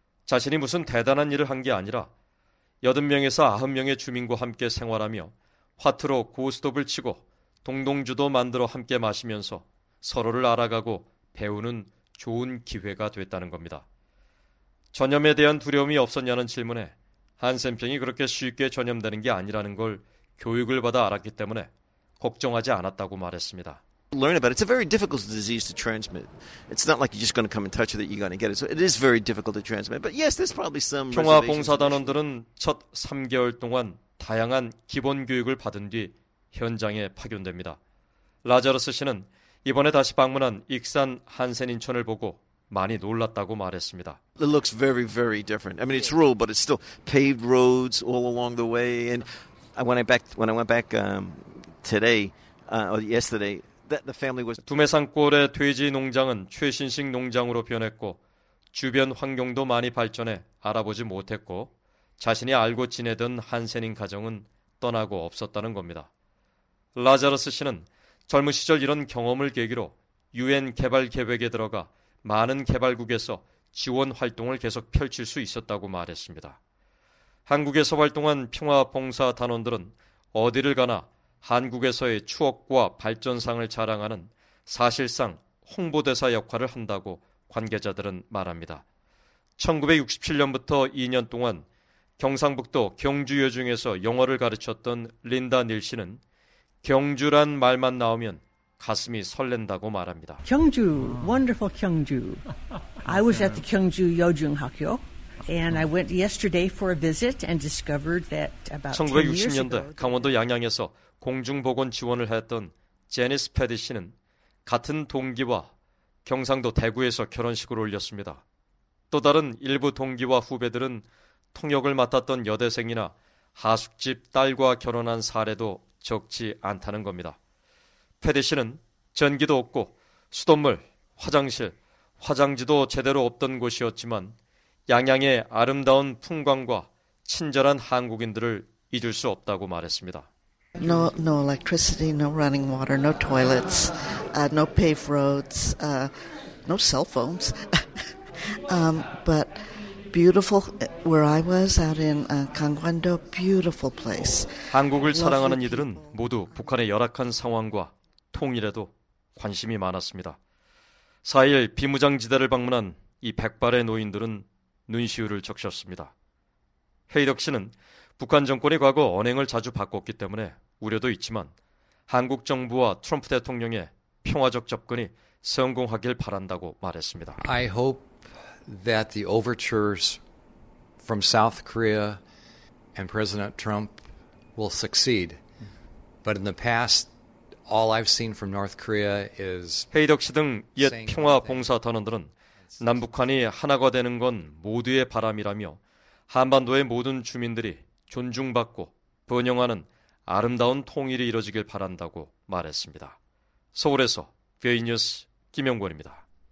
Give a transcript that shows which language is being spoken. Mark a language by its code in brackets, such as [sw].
[ko] 자신이 무슨 대단한 일을 한 게 아니라 80명에서 90명의 주민과 함께 생활하며 화투로 고스톱을 치고 동동주도 만들어 함께 마시면서 서로를 알아가고 배우는 좋은 기회가 됐다는 겁니다. 전염에 대한 두려움이 없었냐는 질문에 한센병이 그렇게 쉽게 전염되는 게 아니라는 걸 교육을 받아 알았기 때문에 걱정하지 않았다고 말했습니다. [en] Learn about it. It's a very difficult disease to transmit. It's not like you're just going to come and touch it that you're going to get it. So it is very difficult to transmit. But yes, there's probably some. [ko] 종합봉사단원들은 첫 3개월 동안 다양한 기본 교육을 받은 뒤 현장에 파견됩니다. 라자로스 씨는 이번에 다시 방문한 익산 한센인촌을 보고 많이 놀랐다고 말했습니다. [en] It looks very, very different. I mean, it's rural, but it's still paved roads all along the way. And when I went back today or yesterday. That the family was [ko] 두메산골의 돼지 농장은 최신식 농장으로 변했고 주변 환경도 많이 발전해 알아보지 못했고 자신이 알고 지내던 한센인 가정은 떠나고 없었다는 겁니다. 라자르스 씨는 젊은 시절 이런 경험을 계기로 UN 개발 계획에 들어가 많은 개발국에서 지원 활동을 계속 펼칠 수 있었다고 말했습니다. 한국에서 활동한 평화봉사 단원들은 어디를 가나 한국에서의 추억과 발전상을 자랑하는 사실상 홍보대사 역할을 한다고 관계자들은 말합니다. 1967년부터 2년 동안 경상북도 경주여중에서 영어를 가르쳤던 린다 닐 씨는 경주란 말만 나오면 가슴이 설렌다고 말합니다. [en] 경주, wonderful 경주. I was at the 경주 여중 학교. And I went yesterday for a visit and discovered that about [ko] 1960년대 강원도 양양에서 공중보건 지원을 했던 제니스 패디 씨는 같은 동기와 경상도 대구에서 결혼식을 올렸습니다. 또 다른 일부 동기와 후배들은 통역을 맡았던 여대생이나 하숙집 딸과 결혼한 사례도 적지 않다는 겁니다. 패디 씨는 전기도 없고 수돗물, 화장실, 화장지도 제대로 없던 곳이었지만 양양의 아름다운 풍광과 친절한 한국인들을 잊을 수 없다고 말했습니다. [en] No electricity, no running water, no toilets, no paved roads, no cell phones. but beautiful where I was out in Gangwon-do, beautiful place. [ko] 한국을 사랑하는 이들은 모두 북한의 열악한 상황과 통일에도 관심이 많았습니다. 4일 비무장지대를 방문한 이 백발의 노인들은 눈시울을 적셨습니다. 헤이덕 씨는 북한 정권이 과거 언행을 자주 바꿨기 때문에 우려도 있지만 한국 정부와 트럼프 대통령의 평화적 접근이 성공하길 바란다고 말했습니다. [en] I hope that the overtures from South Korea and President Trump will succeed. But in the past, all I've seen from North Korea is [ko] 헤이덕 씨 등 옛 평화 봉사 단원들은 남북한이 하나가 되는 건 모두의 바람이라며 한반도의 모든 주민들이 존중받고 번영하는 아름다운 통일이 이루어지길 바란다고 말했습니다. 서울에서 VOA 뉴스 김영권입니다.